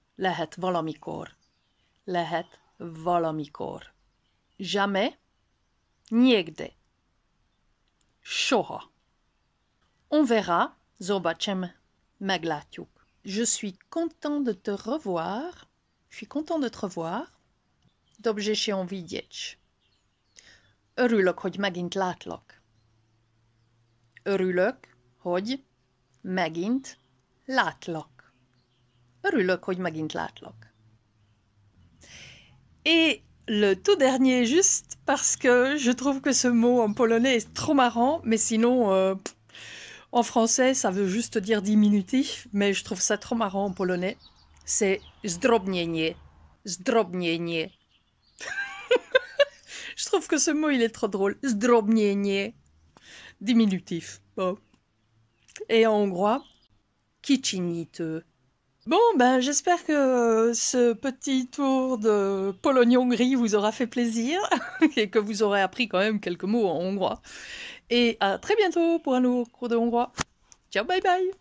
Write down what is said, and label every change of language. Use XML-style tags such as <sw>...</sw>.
<hu>Lehet valamikor. Lehet valamikor.</hu> <fr>Jamais.</fr> <pl>Niegde.</pl> <hu>Soha.</hu> <fr>On verra.</fr> <pl>Zobaczymy.</pl> <hu>Meglátjuk.</hu> <fr>Je suis content de te revoir. Je suis content de te revoir.</fr> <pl>Dobrze się widzieć.</pl> <hu>Örülök, hogy megint látlak. Örülök, hogy megint látlak. Örülök, hogy megint látlak.</hu> <fr>Et le tout dernier, juste parce que je trouve que ce mot en polonais est trop marrant, mais sinon, en français, ça veut juste dire diminutif, mais je trouve ça trop marrant en polonais. C'est</fr> <pl>zdrobnienie. Zdrobnienie.</pl> <fr>Je trouve que ce mot, il est trop drôle.</fr> <pl>Zdrobnienie.</pl> <fr>Diminutif. Bon. Et en hongrois,</fr> <hu>kicsinyítő.</hu> <fr>Bon, ben, j'espère que ce petit tour de Pologne-Hongrie vous aura fait plaisir et que vous aurez appris quand même quelques mots en hongrois. Et à très bientôt pour un nouveau cours de hongrois. Ciao, bye bye!</fr>